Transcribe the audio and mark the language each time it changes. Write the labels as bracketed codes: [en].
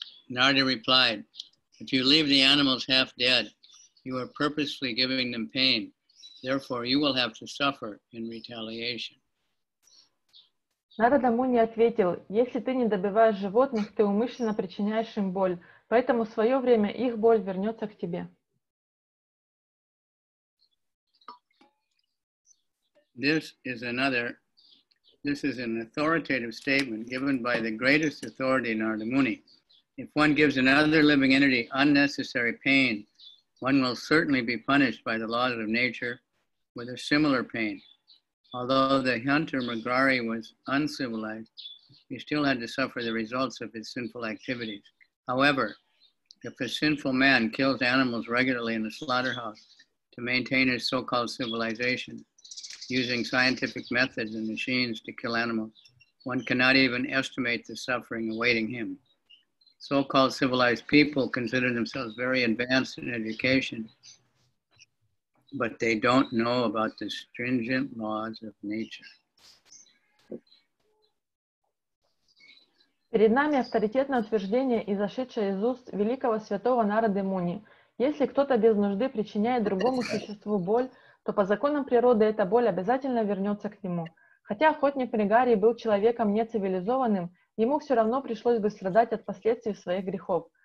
[en] Narda replied, if you leave the animals half dead, you are purposely giving them pain. Therefore, you will have to suffer in retaliation. [ru] Нарада Муни ответил, если ты не добиваешь животных, ты умышленно причиняешь им боль, поэтому в свое время их боль вернется к тебе. [en] This is an authoritative statement given by the greatest authority, Narada Muni. If one gives another living entity unnecessary pain, one will certainly be punished by the laws of nature with a similar pain. Although the hunter Magari was uncivilized, he still had to suffer the results of his sinful activities. However, if a sinful man kills animals regularly in a slaughterhouse to maintain his so-called civilization, using scientific methods and machines to kill animals, one cannot even estimate the suffering awaiting him. So-called civilized people consider themselves very advanced in education, but they don't know about the stringent laws of nature. [ru] Перед нами авторитетное утверждение, изошедшее из уст великого святого Нарады Муни. Если кто-то без нужды причиняет другому существу боль, то по законам природы эта боль обязательно вернется к нему. Хотя охотник Мригари был человеком нецивилизованным, ему все равно пришлось бы страдать от последствий своих грехов.